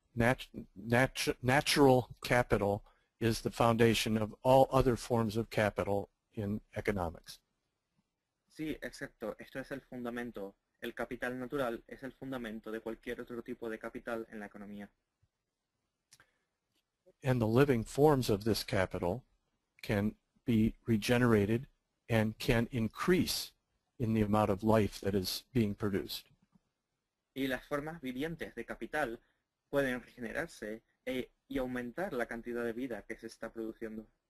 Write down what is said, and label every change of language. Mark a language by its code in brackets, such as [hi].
[en] Natural capital is the foundation of all other forms of capital in economics. [es] Sí, exacto. Esto es el fundamento. El capital natural es el fundamento de cualquier otro tipo de capital en la economía. [en] And the living forms of this capital can be regenerated and can increase in the amount of life that is being produced. [es] Y las formas vivientes de capital pueden regenerarse y aumentar la cantidad de vida que se está produciendo.